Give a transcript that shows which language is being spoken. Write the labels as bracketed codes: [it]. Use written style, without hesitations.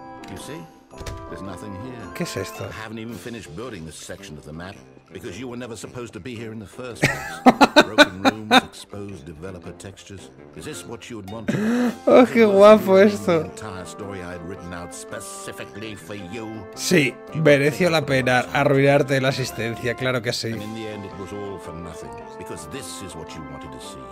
[en] You see? There's nothing here. [es] ¿Qué es esto? [en] I haven't even finished building this section of the map because you were never supposed to be here in the first place. Broken rooms, exposed developer textures. Is this what you would want? [es] Oh, qué guapo esto. [en] The entire story I had written out specifically for you. [es] Sí, mereció la pena arruinarte la existencia, claro que sí. [en] And in the end, it was all for nothing because this is what you wanted to see.